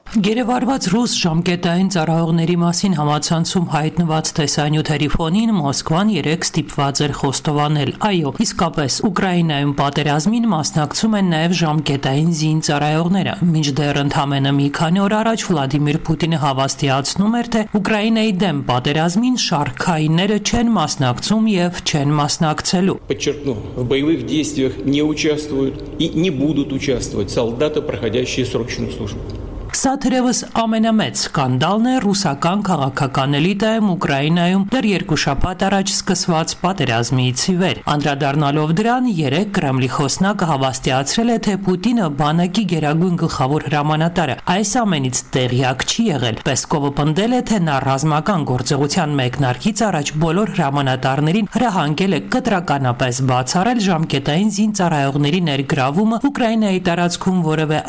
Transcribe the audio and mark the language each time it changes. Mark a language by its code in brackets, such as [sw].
[hy] Գերեվարված ռուս ժամկետային ծառայողների մասին համացանցում հայտնված տեսանյութերի ֆոնին Մոսկվան երեք ստիպված էր խոստովանել։ Այո, իսկապես, Ուկրաինայում պատերազմին մասնակցում են նաև ժամկետային զին ծառայողները։ Մինչդեռ ընդամենը մի քանի օր առաջ Վլադիմիր Պուտինը հավաստիացնում էր, թե Ուկրաինայի դեմ պատերազմին շարքայինները չեն մասնակցում և չեն մասնակցելու։ [ru] Подчеркну, в боевых действиях не участвуют и не будут участвовать солдаты, проходящие срочную службу. [hy] Սա թերևս ամենամեծ սկանդալն է ռուսական քաղաքական էլիտայում Ուկրաինայում դեռ երկու շաբաթ առաջ սկսված պատերազմից ի վեր։ Անդրադառնալով դրան, երեկ Կրեմլի խոսնակը հավաստիացրել է, թե Պուտինը բանակի գերագույն գլխավոր հրամանատարը այս ամենից տեղյակ չի եղել։ Պեսկովը պնդել է, թե նա ռազմական գործողության մեկնարկից առաջ բոլոր հրամանատարներին հրահանգել է կտրականապես բացառել ժամկետային զին ծառայողների ներգրավումը Ուկրաինայի տարածքում որևէ